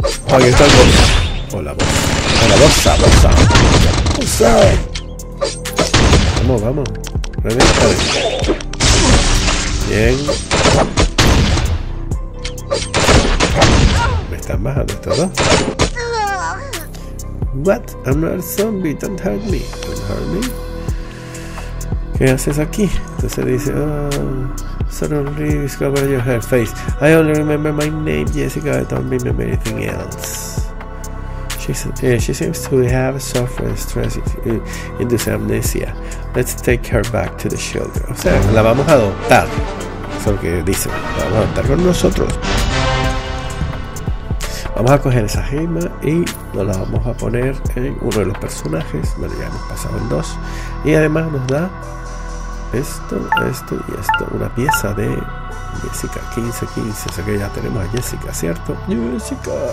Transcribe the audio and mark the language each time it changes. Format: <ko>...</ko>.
<es>Oh, aquí está el boss. Hola, boss. Hola, bossa, bossa. Bossa. Vamos, vamos. Reventa. Bien. Me están bajando estos dos.</es> <en>What? I'm not a zombie, don't hurt me. Don't hurt me.</en> <es>¿Qué haces aquí? Entonces dice,</es> <en>suddenly discover your hair face. I only remember my name, Jessica. I don't remember anything else. She seems to have suffered stress induced amnesia. Let's take her back to the shelter.</en> <es>O sea, la vamos a adoptar. Eso es lo que dice. La vamos a adoptar con nosotros. Vamos a coger esa gema y nos la vamos a poner en uno de los personajes. Bueno, ya hemos pasado en dos. Y además nos da esto, esto y esto. Una pieza de Jessica 15-15. O sea que ya tenemos a Jessica, ¿cierto? ¡Jessica!</es>